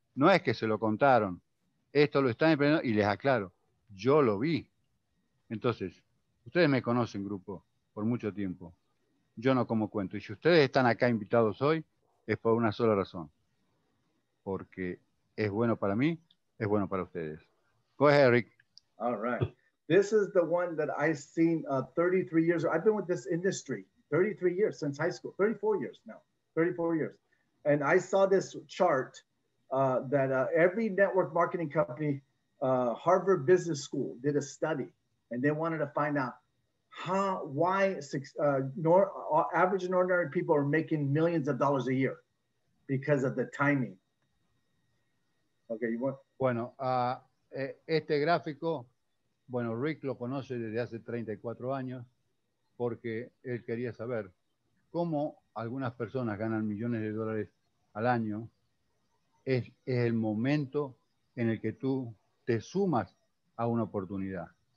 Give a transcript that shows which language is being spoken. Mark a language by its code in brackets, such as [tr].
[es] No es que se lo contaron. Esto lo están experimentando y les aclaro, yo lo vi. Entonces, ustedes me conocen, grupo, por mucho tiempo. Yo no como cuento. Y si ustedes están acá invitados hoy, es por una sola razón. Porque es bueno para mí, es bueno para ustedes. [en] Go ahead, Rick. All right. This is the one that I've seen 33 years. I've been with this industry 33 years since high school. 34 years now. 34 years. And I saw this chart that every network marketing company, Harvard Business School, did a study. And they wanted to find out average and ordinary people are making millions of dollars a year because of the timing. Okay, you want? [es] Bueno, este gráfico, bueno, Rick lo conoce desde hace 34 años porque él quería saber cómo algunas personas ganan millones de dólares al año. Es el momento en el que tú te sumas a una oportunidad.